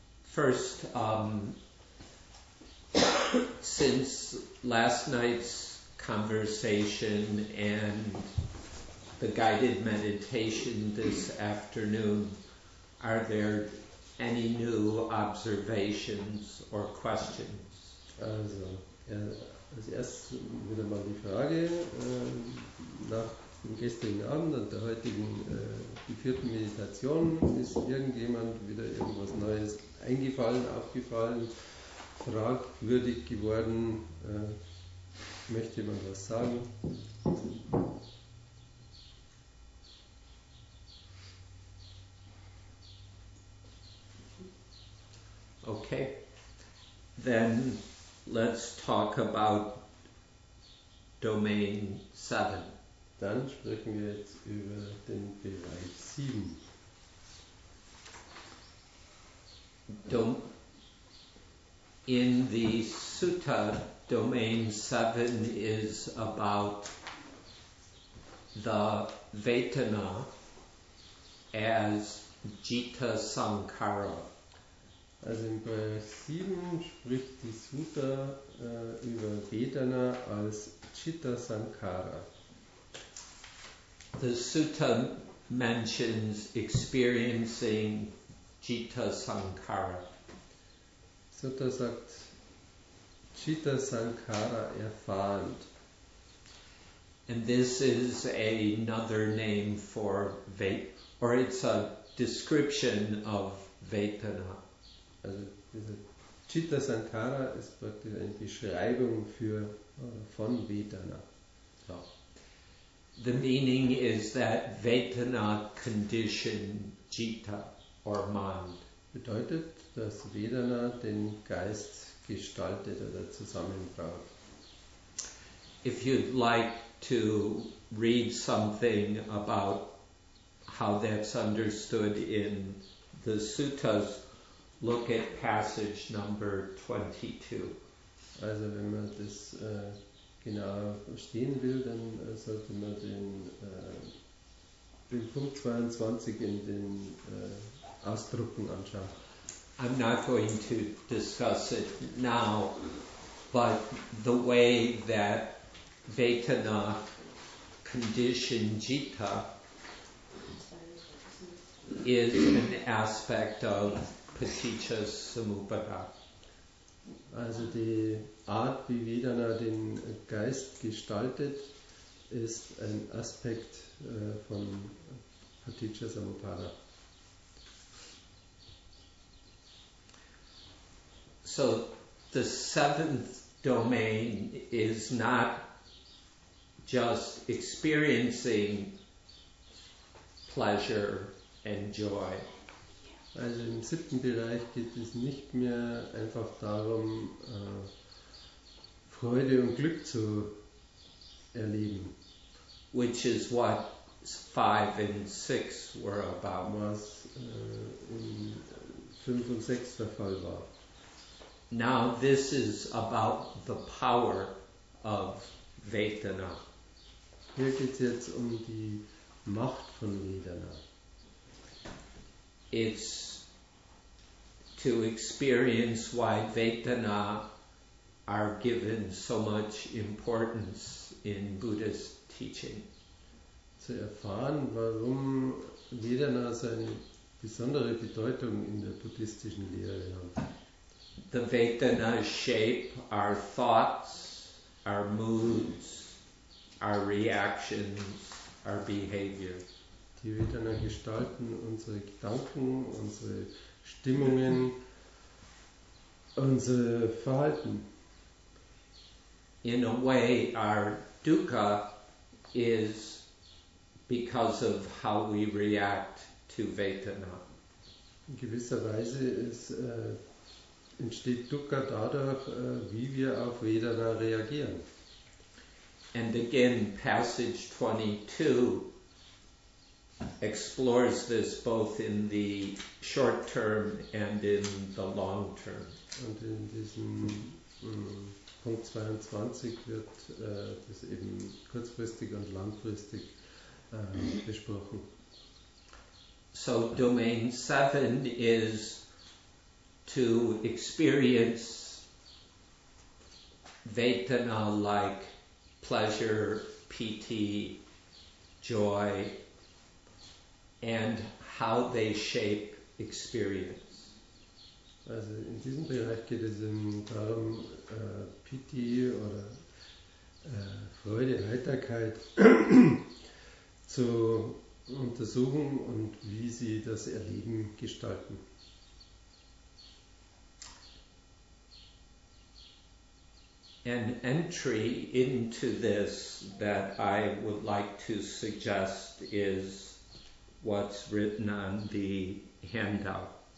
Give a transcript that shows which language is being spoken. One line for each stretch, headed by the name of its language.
English: First, since last night's conversation and the guided meditation this afternoon, are there any new observations or questions?
German: Also, als erstes wieder mal die Frage nach dem gestrigen Abend und der heutigen geführten Meditation, ist irgendjemand wieder irgendwas Neues eingefallen, aufgefallen, fragwürdig geworden? Möchte jemand was sagen?
English: Okay, then let's talk about domain 7.
German: Dann sprechen wir jetzt über den Bereich 7.
English: In the sutta, domain 7 is about the vetana as jita sankara.
German: Also in Bereich 7 spricht die Sutta über Vedana als Chitta Sankara.
English: The Sutta mentions experiencing Chitta Sankara.
German: Sutta sagt Chitta Sankara erfahren.
English: And this is another name for it's a description of Vedana.
German: Also diese Chitta Sankara ist praktisch eine Beschreibung für von Vedana.
English: So. The meaning is that Vedana condition Chitta. or mind.
German: Bedeutet, dass Vedana den Geist gestaltet oder zusammenbraucht.
English: If you'd like to read something about how that's understood in the suttas, look at passage number 22.
German: Also wenn man das genau verstehen will, dann sollte man den Punkt 22 in den Ausdrucken anschauen.
English: I'm not going to discuss it now, but the way that Vedana conditioned jitta is an aspect of paticca samuppada.
German: Also die Art, wie Vedana den Geist gestaltet, ist ein Aspekt von paticca samuppada.
English: So the seventh domain is not just experiencing pleasure and joy.
German: Also im siebten Bereich geht es nicht mehr einfach darum, Freude und Glück zu erleben.
English: Which is what 5 and 6 were about.
German: Was in 5 und 6 der Fall war.
English: Now this is about the power of Vedana.
German: Hier geht's jetzt um die Macht von Vedana.
English: It's to experience why Vedana are given so much importance in Buddhist teaching.
German: Zu erfahren, warum Vedana so eine besondere Bedeutung in der buddhistischen Lehre haben.
English: The Vedanas shape our thoughts, our moods, our reactions, our behavior.
German: Die Vedana gestalten unsere Gedanken, unsere Stimmungen, unser Verhalten.
English: In a way, our dukkha is because of how we react to Vedana.
German: In gewisser Weise ist entsteht Dukkha dadurch, wie wir auf Vedana reagieren.
English: And again, passage 22 explores this both in the short term and in the long term.
German: Und in diesem Punkt 22 wird das eben kurzfristig und langfristig besprochen.
English: So domain 7 is to experience Vedana like pleasure, piti, joy, and how they shape experience.
German: Also in diesem Bereich geht es darum, piti oder Freude, Heiterkeit zu untersuchen und wie sie das Erleben gestalten.
English: An entry into this that I would like to suggest is what's written on the handout.